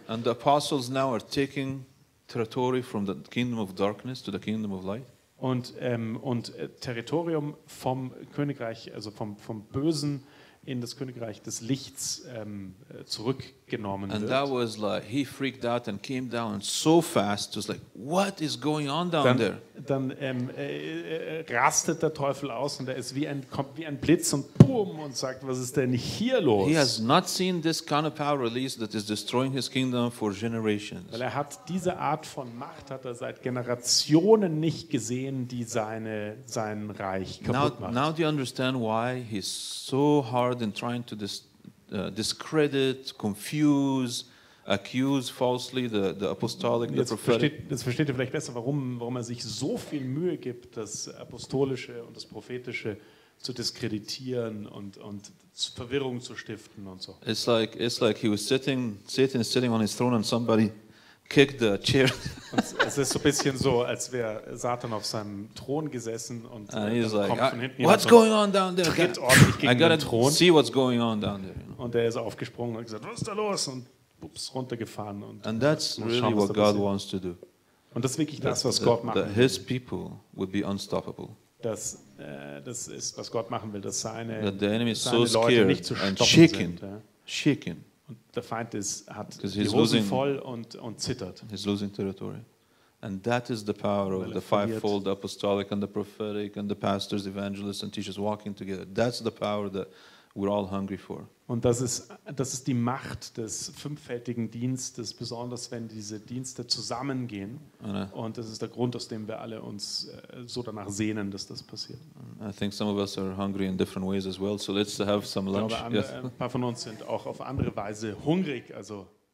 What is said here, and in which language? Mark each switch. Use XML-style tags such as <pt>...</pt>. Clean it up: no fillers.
<en>And the apostles now are taking territory from the kingdom of darkness to the kingdom of light.</en> <de>Und Territorium vom Königreich, also vom Bösen in das Königreich des Lichts zurückgenommen</de> <en>and And that was like he freaked out and came down so fast. Was like, what is going on down there?</en> <de>Dann rastet der Teufel aus und er ist kommt wie ein Blitz und boom und sagt, was ist denn hier los?</de> <en>He has not seen this kind of power released that is destroying his kingdom for generations.</en> <de>Weil er hat diese Art von Macht hat er seit Generationen nicht gesehen, die sein Reich kaputt</de> <en>now,</en> <de>macht.</de> <en>Now do you understand why he's so hard in trying to discredit, confuse, accuse falsely the apostolic, the prophetic.</en> <de>Jetzt versteht ihr vielleicht besser, warum er sich so viel Mühe gibt, das Apostolische und das Prophetische zu diskreditieren und Verwirrung zu stiften und so.</de> <en>It's like he was sitting, Satan is sitting on his throne and somebody kicked the chair.</en> <de>Es ist so ein bisschen so, als wäre Satan auf seinem Thron gesessen und</de> <en>he's like,</en> <de>kommt von hinten.</de> <en>What's going on down there?</en> <de>Tritt ordentlich gegen den Thron.</de> <en>See what's going on down there.</en> <de>Und er ist aufgesprungen und gesagt, was ist da los? Und ups, runtergefahren.</de> <en>And that's really what God wants to do.</en> <de>Und das ist wirklich das, was Gott machen will.</de> <en>That his people would be unstoppable.</en> <de>Das ist, was Gott machen will, dass seine Leute nicht zu stoppen sind.</de> <en>Shaken.</en> <de>Und der Feind hat die Hosen voll und zittert.</de> <en>He's losing territory. And that is the power of the fivefold, the apostolic and the prophetic and the pastors, evangelists and teachers walking together. That's the power that we're all hungry for.</en> <de>Und das ist die Macht des fünffältigen Dienstes, besonders wenn diese Dienste zusammengehen. Und das ist der Grund, aus dem wir alle uns so danach sehnen, dass das passiert.</de> <en>I think some of us are hungry in different ways as well, so let's have some lunch.</en> <de>Ein paar von uns sind auch auf andere Weise hungrig, also</de>